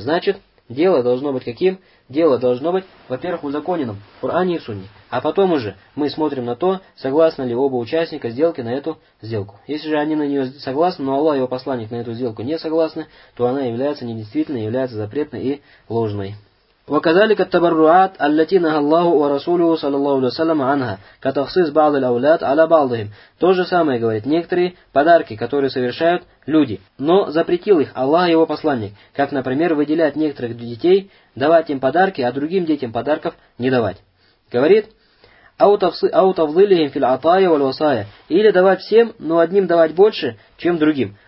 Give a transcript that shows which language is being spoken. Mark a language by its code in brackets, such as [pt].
[ru] Значит, дело должно быть каким? Дело должно быть, во-первых, узаконенным, в Коране и в Сунне. А потом уже мы смотрим на то, согласны ли оба участника сделки на эту сделку. Если же они на нее согласны, но Аллах и его посланник на эту сделку не согласны, то она является недействительной, является запретной и ложной. [ar] وكذلك التبرعات التي نهى الله ورسوله صلى الله عليه وسلم عنها كتخصيص بعض الأولاد على بعضهم. [ru] То же самое говорит, некоторые подарки, которые совершают люди, но запретил их Аллах и его посланник, как, например, выделять некоторых детей, давать им подарки, а другим детям подарков не давать. Говорит, [ar] аутавлилихим филь атая валь васая, [ru] или давать всем, но одним давать больше, чем другим.